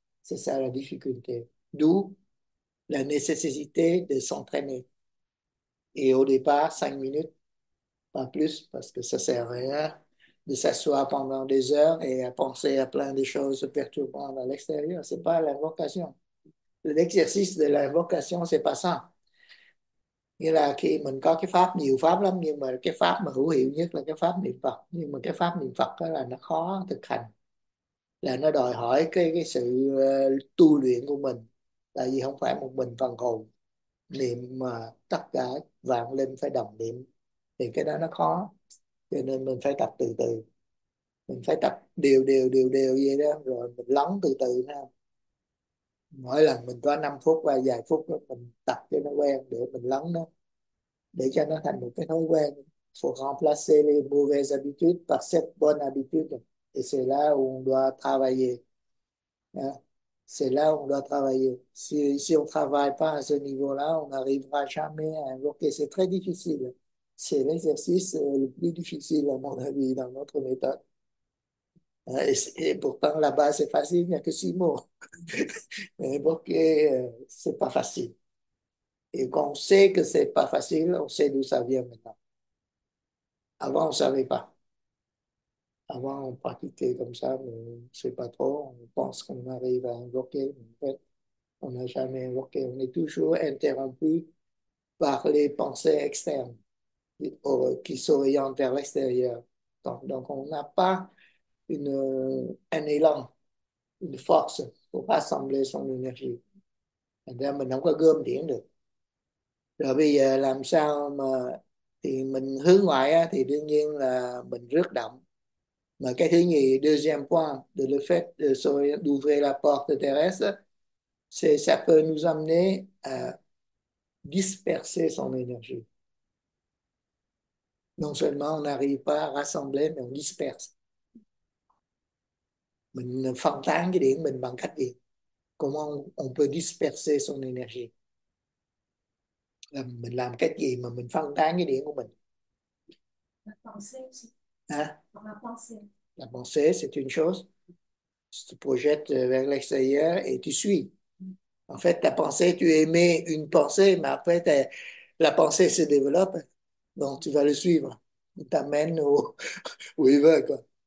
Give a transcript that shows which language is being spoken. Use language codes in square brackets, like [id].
[fr] C'est ça la difficulté. D'où la nécessité de s'entraîner. Et au départ, 5 minutes, pas plus, parce que ça ne sert à rien de s'asseoir pendant des heures et à penser à plein de choses perturbantes à l'extérieur. Ce n'est pas l'invocation. L'exercice de l'invocation, ce n'est pas ça. [vi] Nghĩa là khi mình có cái pháp, nhiều pháp lắm, nhưng mà cái pháp mà hữu hiệu nhất là cái pháp niệm Phật. Nhưng mà cái pháp niệm Phật đó là nó khó thực hành, là nó đòi hỏi cái sự tu luyện của mình. Tại vì không phải một mình phần hồn niệm mà tất cả vạn linh phải đồng niệm, thì cái đó nó khó. Cho nên mình phải tập từ từ, mình phải tập đều đều vậy đó, rồi mình lắng từ từ ha. Mỗi lần mình có 5 phút và vài phút đó, mình tập cho nó quen để mình lắng nó, để cho nó thành một cái thói quen. [fr] Faut remplacer les mauvaises habitudes par cette bonne habitude. Et c'est là où on doit travailler. C'est là où on doit travailler. Si on ne travaille pas à ce niveau-là, on n'arrivera jamais à invoquer. C'est très difficile. C'est l'exercice le plus difficile, à mon avis, dans notre méthode. Et pourtant, la base est facile, il n'y a que 6 mots. Mais ok, ce n'est pas facile. Et quand on sait que ce n'est pas facile, on sait d'où ça vient maintenant. Avant, on ne savait pas. Avant, on pratiquait comme ça, mais on ne sait pas trop. On pense qu'on arrive à invoquer, mais en fait, on n'a jamais invoqué. On est toujours interrompu par les pensées externes qui s'orientent vers l'extérieur. Donc, on n'a pas un élan, une force pour rassembler son énergie. [vi] thành ra mình không có gom điển được. Rồi bây giờ làm sao mà thì mình hướng ngoại á, thì đương nhiên là mình rước động. Mà cái thứ nhì, [fr] deuxième point, de le fait de s'ouvrir la porte de Thérèse, c'est ça peut nous amener à disperser son énergie. Non seulement on n'arrive pas à rassembler, mais on disperse. [vi] Mine phân tán cái điện mình bằng cách gì? [fr] Comment on peut disperser son énergie? [vi] Là mình làm cách gì mà mình phân tán cái điện của mình? Hả? [fr] La pensée, c'est une chose. Tu projettes vers l'extérieur et tu suis. En fait, ta pensée, tu émets une pensée, mais après, la pensée se développe. Donc, tu vas le suivre. Il t'amène où il veut, quoi.